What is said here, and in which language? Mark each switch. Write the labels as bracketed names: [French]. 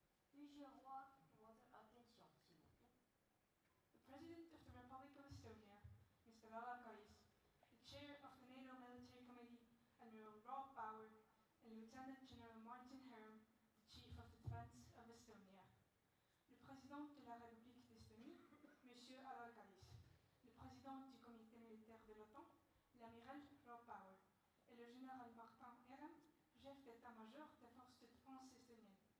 [French] Plusieurs voix pour votre attention, s'il vous plaît. [English] The President of the Republic of Estonia, Mr. Alar, the Chair of the NATO Military Committee, Admiral Rob Bauer, and Lieutenant General Martin Herm, the Chief of the Defense of Estonia. [French] Le Président de la République d'Estonie, Monsieur Alar Karis. Le Président du Comité Militaire de l'OTAN, l'Amiral Rob Bauer. Et le Général Martin Herm, chef d'état-major des forces de défense estoniennes.